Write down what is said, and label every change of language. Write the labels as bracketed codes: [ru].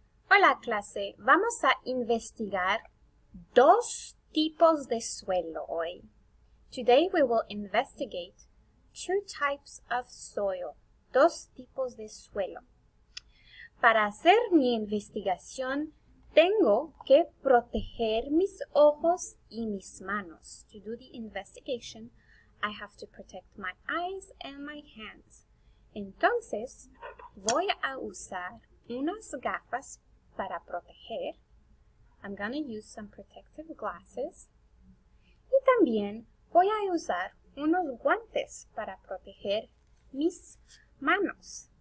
[es] Hola clase, vamos a investigar dos tipos de suelo hoy. [en] Today we will investigate two types of soil, [es] dos tipos de suelo. Para hacer mi investigación, tengo que proteger mis ojos y mis manos. [en] To do the investigation, I have to protect my eyes and my hands. [es] Entonces, voy a usar unas gafas para proteger. [en] I'm going to use some protective glasses. [es] Y también voy a usar unos guantes para proteger mis manos.